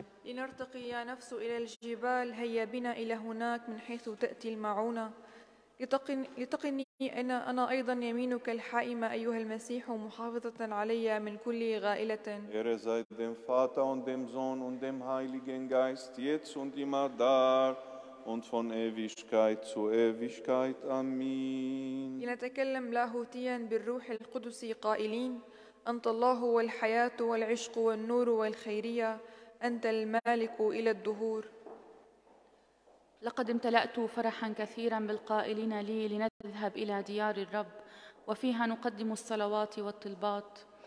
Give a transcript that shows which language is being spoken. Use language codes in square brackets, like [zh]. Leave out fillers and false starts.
[ar] لنرتقي يا نفس إلى الجبال، هيا بنا إلى هناك من حيث تأتي المعونة، لتقني أنا أيضا يمينك الحائمة أيها المسيح محافظة علي من كل غائلة. [de] Und von Ewigkeit zu Ewigkeit. Amen. [ar] لنتكلم لاهوتيا بالروح القدس قائلين: أنت الله والحياة والعشق والنور والخيرية، أنت المالك إلى الدهور. لقد امتلأت فرحا كثيرا بالقائلين لي لنذهب إلى ديار الرب وفيها نقدم الصلوات والطلبات.